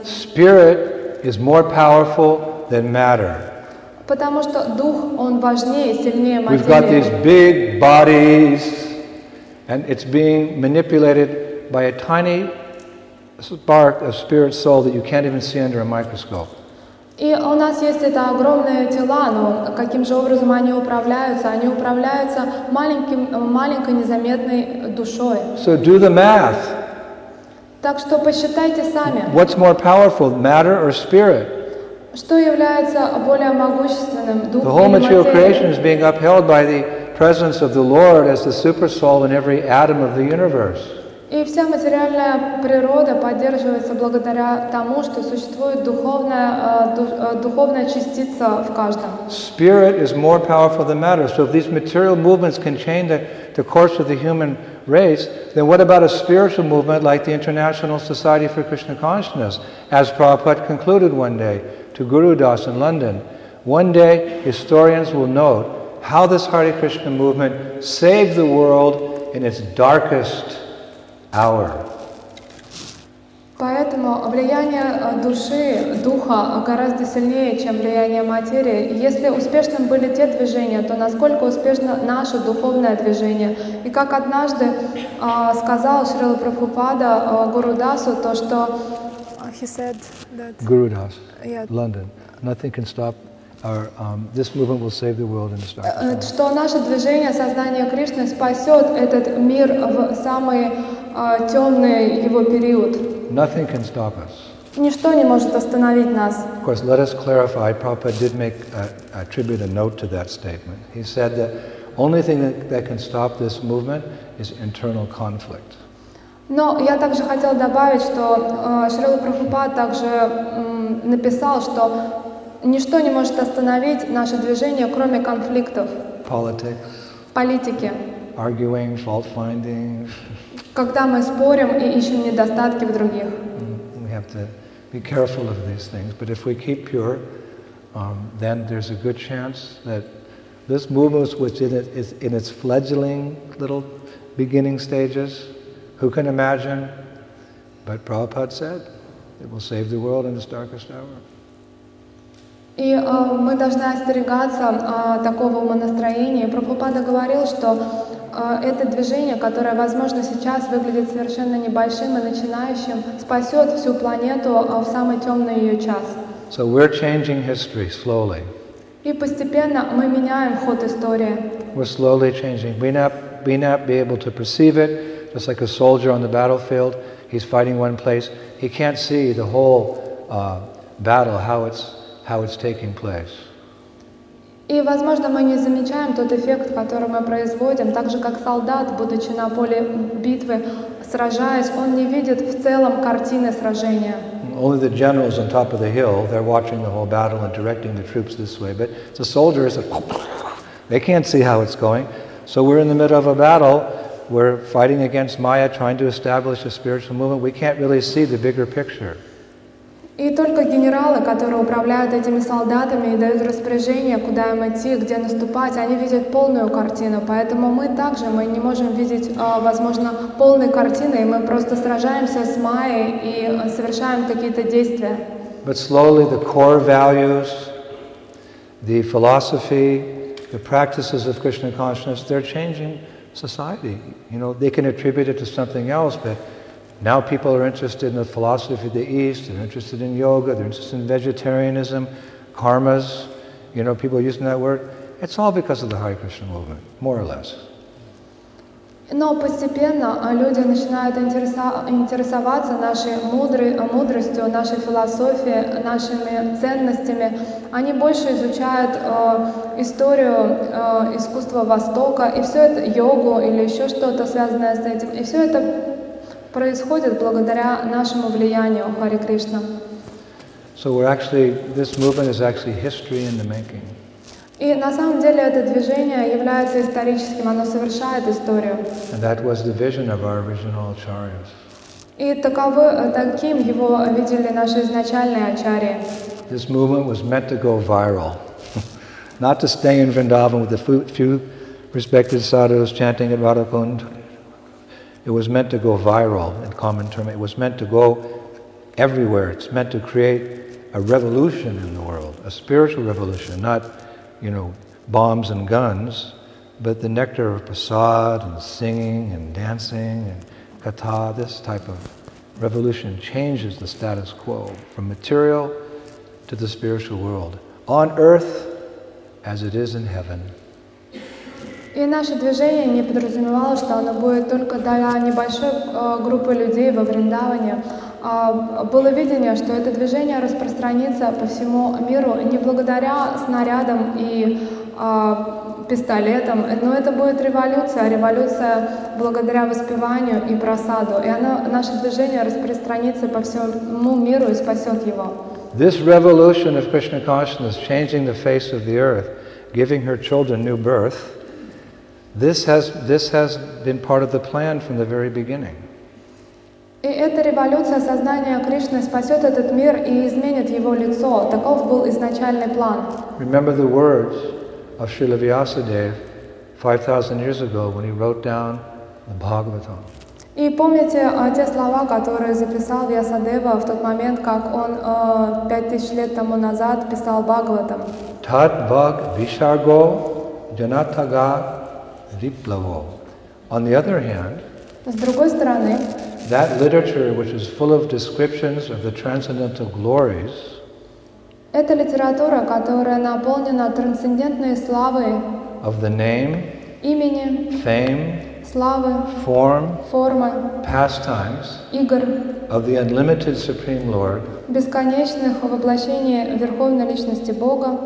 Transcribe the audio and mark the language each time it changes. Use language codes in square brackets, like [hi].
[en] Spirit is more powerful than matter. [ru] Потому что дух, он важнее и сильнее материи. [en] We've got these big bodies, and it's being manipulated by a tiny spark of spirit soul that you can't even see under a microscope. [ru] И у нас есть это огромные тела, но каким же образом они управляются? Они управляются маленькой незаметной душой. [en] So do the math. [ru] Так что посчитайте сами. [en] What's more powerful, matter or spirit? [ru] Что является более могущественным, дух или материя? [en] The whole material creation is being upheld by the presence of the Lord as the super soul in every atom of the universe. [ru] И вся материальная природа поддерживается благодаря тому, что существует духовная частица в каждом. [en] Spirit is more powerful than matter. So if these material movements can change the course of the human race, then what about a spiritual movement like the International Society for Krishna Consciousness, as Prabhupada concluded one day to Guru Das in London? One day, historians will note how this Hare Krishna movement saved the world in its darkest hour. [ru] Поэтому влияние души, духа, гораздо сильнее, чем влияние материи. Если успешным были те движения, то насколько успешно наше духовное движение? И как однажды сказал Шрила Прабхупада Гуру Дасу, то что... [en] He said that... Гуру Дас, Лондон. Nothing can stop our... this movement will save the world in the start. [ru] Что наше движение, сознание Кришны, спасет этот мир в самые темные его период. [en] Nothing can stop us. [ru] Ничто не может остановить нас. [en] Of course, let us clarify. Prabhupada did make attribute a note to that statement. He said that only thing that can stop this movement is internal conflict. [ru] Но я также хотел добавить, что Шрила Прабхупада также написал, что ничто не может остановить наше движение, кроме конфликтов. [en] Politics. [ru] Политики. [en] Arguing, fault finding. [ru] Когда мы спорим и ищем недостатки в других. [en] We have to be careful of these things, but if we keep pure, then there's a good chance that this movement, which is in its fledgling little beginning stages, who can imagine? But Prabhupada said, it will save the world in its darkest hour. [ru] И мы должны остерегаться такого умонастроения. Прабхупада говорил, что это движение, которое, возможно, сейчас выглядит совершенно небольшим и начинающим, спасет всю планету в самый темный ее час. [en] So we're changing history slowly. [ru] И постепенно мы меняем ход истории. [en] We're slowly changing. We not be able to perceive it, just like a soldier on the battlefield. He's fighting one place. He can't see the whole battle, how it's taking place. [ru] И, возможно, мы не замечаем тот эффект, который мы производим, так же, как солдат, будучи на поле битвы, сражаясь, он не видит в целом картины сражения. [en] Only the generals on top of the hill, they're watching the whole battle and directing the troops this way, but the soldiers, they can't see how it's going. So we're in the middle of a battle, we're fighting against Maya, trying to establish a spiritual movement, we can't really see the bigger picture. [ru] И только генералы, которые управляют этими солдатами и дают распоряжение, куда им идти, где наступать, они видят полную картину. Поэтому мы также, мы не можем видеть, возможно, полной картины, и мы просто сражаемся с Майей и совершаем какие-то действия. [en] But slowly the core values, the philosophy, the practices of Krishna consciousness, they're changing society. You know, they can attribute it to something else, but now people are interested in the philosophy of the East, they're interested in yoga, they're interested in vegetarianism, karmas, you know, people are using that word. It's all because of the Hare Krishna movement, more or less. [ru] Но постепенно люди начинают интересоваться нашей мудростью, нашей философией, нашими ценностями. Они больше изучают историю искусства Востока, и все это йогу или еще что-то связанное с этим, и все это происходит благодаря нашему влиянию Хари Кришна. [en] So we're actually, this movement is actually history in the making. [ru] И на самом деле это движение является историческим, оно совершает историю. [en] And that was the vision of our original acharyas. [ru] И таким его видели наши изначальные ачарьи. [en] This movement was meant to go viral. Not to stay in Vrindavan with a few respected sadhus chanting at Radha Kund. It was meant to go viral, in common term. It was meant to go everywhere. It's meant to create a revolution in the world, a spiritual revolution, not, you know, bombs and guns, but the nectar of prasad and singing and dancing and katha. This type of revolution changes the status quo from material to the spiritual world, on earth as it is in heaven. [ru] И наше движение не подразумевало, что оно будет только для небольшой группы людей во Вриндаване. Было видение, что это движение распространится по всему миру не благодаря снарядам и пистолетом. Но это будет революция, а революция благодаря воспеванию и просаду. И она, наше движение распространится по всему миру и спасет его. [en] This revolution of Krishna consciousness, changing the face of the earth, giving her children new birth, this has been part of the plan from the very beginning. [ru] И эта революция сознания Кришны спасет этот мир и изменит его лицо. Таков был изначальный план. [en] Remember the words of Srila Vyasadeva 5,000 years ago when he wrote down the Bhagavatam. [ru] И помните те слова, которые записал Вьясадева в тот момент, как он 5000 лет тому назад писал Бхагаватам. [sa] Тат бхаг вишарго джанатага риплаво. [en] On the other hand, [ru] с другой стороны, [en] that literature which is full of descriptions of the transcendental glories, [ru] эта литература, которая наполнена трансцендентной славой, [en] of the name, [ru] имени, [en] fame, [ru] славы, [en] form, [ru] формы, [en] pastimes, [ru] игр, [en] of the unlimited Supreme Lord, [ru] бесконечных воплощений Верховной Личности Бога,